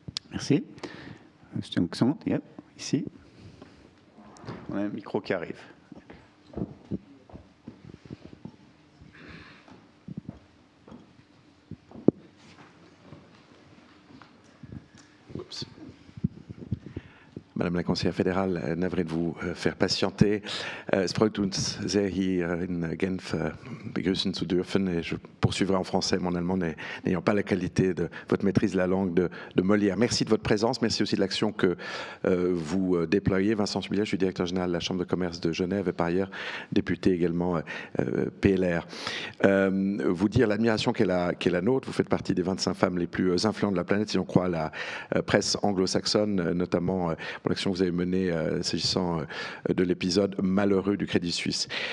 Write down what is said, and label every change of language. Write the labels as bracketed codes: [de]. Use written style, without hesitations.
[fr] Merci. Monsieur Nguyen, ici. On a un micro qui arrive. Madame Madame la conseillère fédérale, navrée de vous faire patienter. [de] Es freut uns sehr hier in Genf begrüßen zu dürfen. [fr] Et je poursuivrai en français, mon allemand n'ayant pas la qualité de votre maîtrise de la langue de Molière. Merci de votre présence, merci aussi de l'action que vous déployez. Vincent Subillet, je suis directeur général de la Chambre de commerce de Genève et par ailleurs député également PLR. Vous dire l'admiration qu'est la nôtre. Vous faites partie des 25 femmes les plus influentes de la planète, si on croit la presse anglo-saxonne, notamment pour l'action que vous avez menée s'agissant de l'épisode malheureux du Crédit Suisse.